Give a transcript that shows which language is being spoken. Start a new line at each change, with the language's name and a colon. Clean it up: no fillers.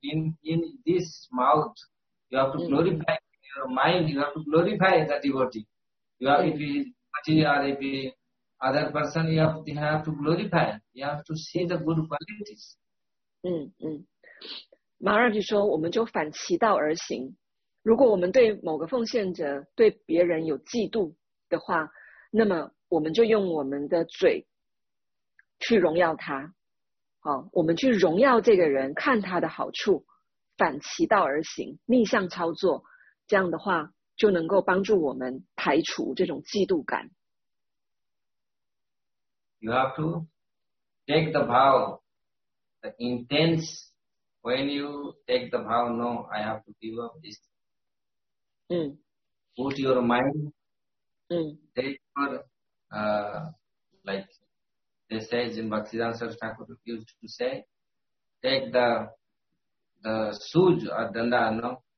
English: In this mouth, you have to glorify, in your mind, you have to glorify the devotee. You have, if it is devotee or if it is other person, you have to glorify, you have to see the good qualities. Maharaji said, we will go back to the path.
Chinese: 如果我们对某个奉献者对别人有嫉妒的话，那么我们就用我们的嘴去荣耀他，好，我们去荣耀这个人，看他的好处，反其道而行，逆向操作，这样的话就能够帮助我们排除这种嫉妒感。
English: You have to take the vow, the intense, when you take the vow, no, I have to give up this. Put your mind, take your, like they say in Bhaktisiddhanta Saraswati Thakur used to say, take the suj or danda, no?